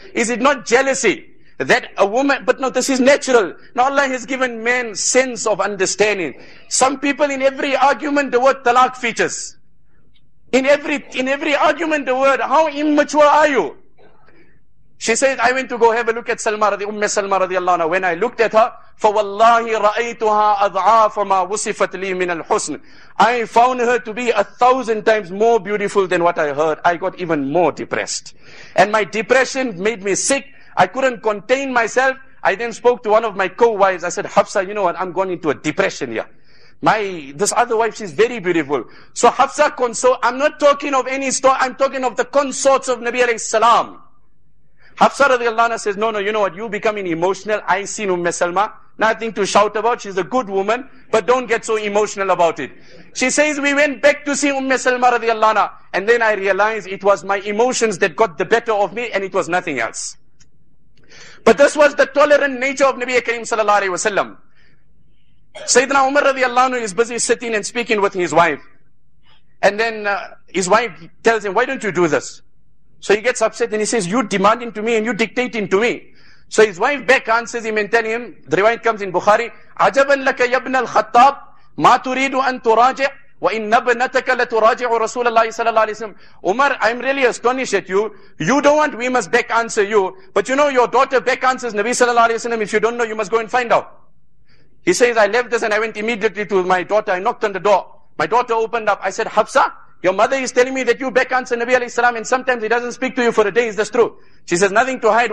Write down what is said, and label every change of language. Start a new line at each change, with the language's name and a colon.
English: Is it not jealousy that a woman, but no, this is natural. Now Allah has given men sense of understanding. Some people in every argument, the word talaq features. In every argument, the word, how immature are you? She said, I went to go have a look at Salma, Umm Salma radiallahu anha. When I looked at her,
Arabic: فَوَاللَّهِ رَأَيْتُهَا أَضْعَافَ مَا وُصِفَتْ لِي مِنَ الْحُسْنِ.
English: I found her to be 1,000 times more beautiful than what I heard. I got even more depressed. And my depression made me sick. I couldn't contain myself. I then spoke to one of my co-wives. I said, Hafsa, you know what? I'm going into a depression here. This other wife, she's very beautiful. So Hafsa, I'm not talking of any story. I'm talking of the consorts of Nabi alayhi salam. Hafsa radiallahu anha says, no, you know what, you becoming emotional, I seen Umm Salma, nothing to shout about, she's a good woman, but don't get so emotional about it. She says, we went back to see Umm Salma radiallahu anha, and then I realized it was my emotions that got the better of me, and it was nothing else. But this was the tolerant nature of Nabi Kareem sallallahu alayhi wa sallam. Sayyidina Umar radiallahu anhu is busy sitting and speaking with his wife, and then his wife tells him, why don't you do this? So he gets upset and he says, you're demanding to me and you're dictating to me. So his wife back answers him and tells him, the riwayat comes in Bukhari,
Arabic: عَجَبًا لَكَ يَبْنَ الْخَطَّابِ مَا تُرِيدُ أَن تُرَاجِعُ وَإِنَّ بَنَتَكَ لَتُرَاجِعُ رَسُولَ اللَّهِ صَلَى اللَّهِ عَلَيْهِ وَسَلَّمُ.
English: Umar, I'm really astonished at you. You don't want, we must back answer you. But you know, your daughter back answers Nabi صلى الله عليه وسلم. If you don't know, you must go and find out. He says, I left this and I went immediately to my daughter. I knocked on the door. My daughter opened up. I said, Hafsa, your mother is telling me that you back answer Nabi alayhi salam and sometimes he doesn't speak to you for a day. Is this true? She says, nothing to hide.